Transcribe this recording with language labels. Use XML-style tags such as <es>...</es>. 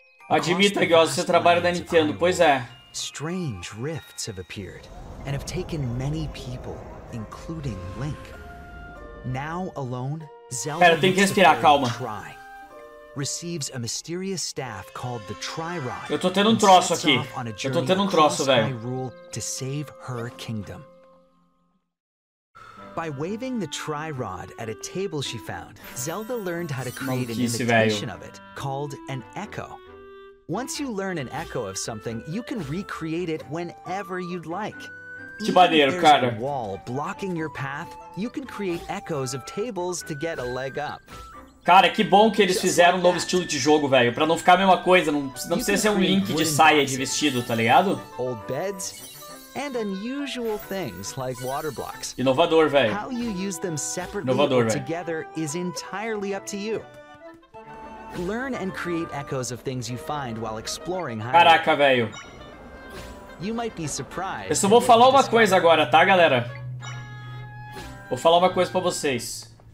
<pt>Admita, Gyoza, você trabalha da Nintendo, pois é.</pt> <en>Strange rifts have appeared and have taken many people, including Link. Now alone, Zelda.</en> <pt>Pera, tem que respirar, calma.</pt> <en>Receives a mysterious staff called the Tri-Rod.</en> <pt>Eu tô tendo um troço aqui.</pt> <en>To save her kingdom. By waving the Tri-Rod at a table she found, Zelda learned how to create an imitation of it called an echo. Once you learn an echo of something, you can recreate it whenever you'd like.</en> <pt>Que maneiro, cara.</pt> <en>There's a wall blocking your path, you can create echoes of tables to get a leg up.</en> <pt>Cara, que bom que eles fizeram um novo estilo de jogo, velho. Pra não ficar a mesma coisa, não precisa ser um Link de saia de vestido, tá ligado?</pt> <en>Old beds and unusual things like water blocks.</en> <pt>Inovador, velho.</pt> <en>How you use them separately together is entirely up to you. Learn and create echoes of things you find while exploring.</en> <pt>Caraca, velho.</pt> <en>You might be surprised.</en> <pt>Eu só vou falar uma coisa agora, tá, galera? Vou falar uma coisa pra vocês.</pt>